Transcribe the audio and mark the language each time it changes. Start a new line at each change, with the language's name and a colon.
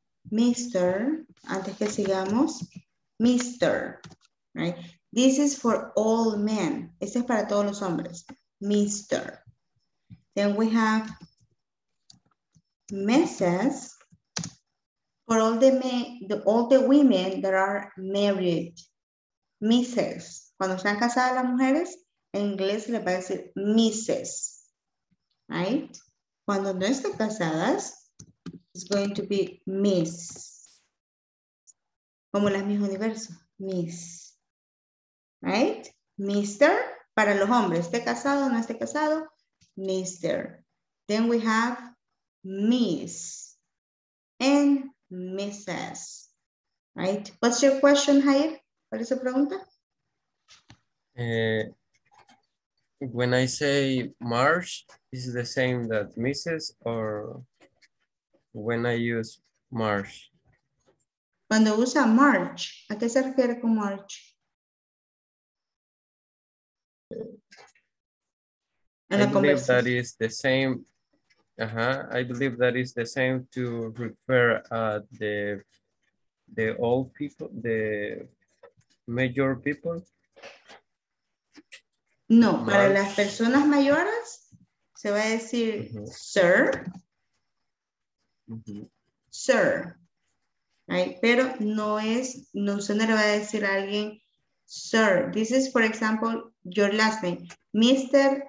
Spanish: Mr., antes que sigamos, Mr., right?
English: This is for all men.
Spanish: Este es para todos los hombres. Mr.
English: Then we have Mrs. For all the men, all the women that are married. Mrs.
Spanish: Cuando están casadas las mujeres, en inglés se les va a decir Mrs.
English: Right?
Spanish: Cuando no están casadas,
English: it's going to be Miss.
Spanish: Como las mismas universo. Miss. Right? Mr. Para los hombres, esté casado o no esté casado, Mr.
English: Then we have Miss and Mrs. Right? What's your question, Jair?
Spanish: ¿Cuál es su pregunta?
English: When I say Marsh, is it the same that Mrs. or when I use Marsh?
Spanish: Cuando usa Marsh, ¿a qué se refiere con Marsh?
English: I believe that is the same. I believe that is the same to refer the old people, the major people. No, March.
Spanish: Para las personas mayores se va a decir sir. Sir. Right? Pero no se le va a decir a alguien.
English: Sir, this is, for example, your last name, Mr.